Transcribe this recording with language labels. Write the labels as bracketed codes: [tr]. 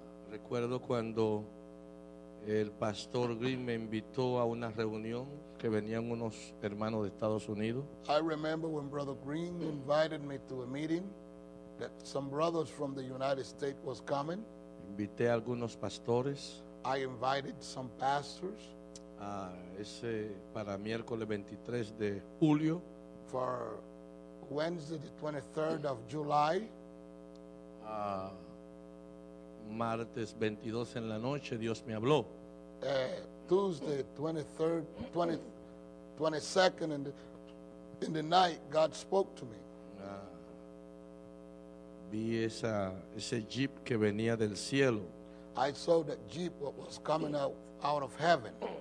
[es] Recuerdo cuando el pastor Green me invitó a una reunión que venían unos hermanos de Estados Unidos. [en] I remember when Brother Green invited me to a meeting that some brothers from the United States was coming. [es] Invité a algunos pastores. [en] I invited some pastors. [es] Ese para miércoles 23 de julio. [en] For Wednesday the 23rd of July. [es] Martes 22 en la noche Dios me habló. [en] Tuesday 22nd in the night God spoke to me. [es] Vi ese jeep que venía del cielo. [en] I saw that jeep that was coming out of heaven.